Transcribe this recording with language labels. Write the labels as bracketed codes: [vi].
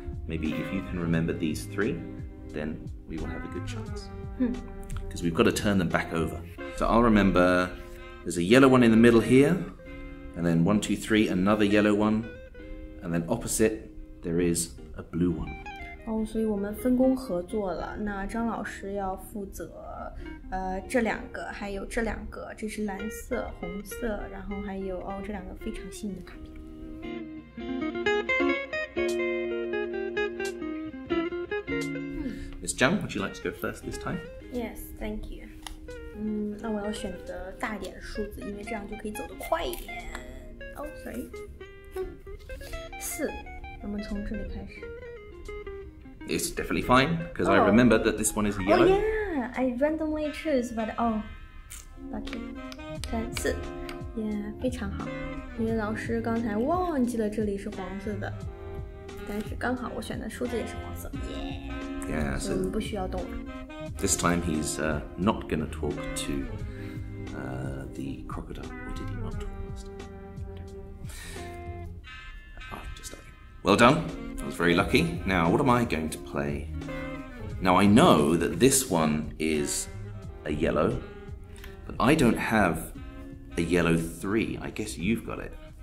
[en] Maybe if you can remember these three, then we will have a good chance. Because we've got to turn them back over. So I'll remember there's a yellow one in the middle here, and then one, two, three, another yellow one, and then opposite, there is a blue one. [zh] 哦、oh, ，所以我们分工合作了。那张老师要负责，这两个，还有这两个，这是蓝色、红色，然后还有哦，这两个非常幸运的卡片。 [en] Miss Zhang, would you like to go first this time? Yes, thank you. [zh] 那我要选择大点的数字，因为这样就可以走得快一点。 [en] Oh, sorry. [zh] 四，我们从这里开始。 [en] It's definitely fine, because、oh. I remember that this one is yellow. Oh yeah, I randomly chose, but oh, lucky. [zh] 三四 yeah, 非常好。因为老师刚才忘记了这里是黄色的，但是刚好我选的数字也是黄色。 [en] Yeah, yeah so we [zh] 不需要动了。 [en] This time he's not going to talk to the crocodile. Or did he not talk last time? Oh, just okay. Well done. I was very lucky. Now, what am I going to play? Now, I know that this one is a yellow, but I don't have a yellow three. I guess you've got it.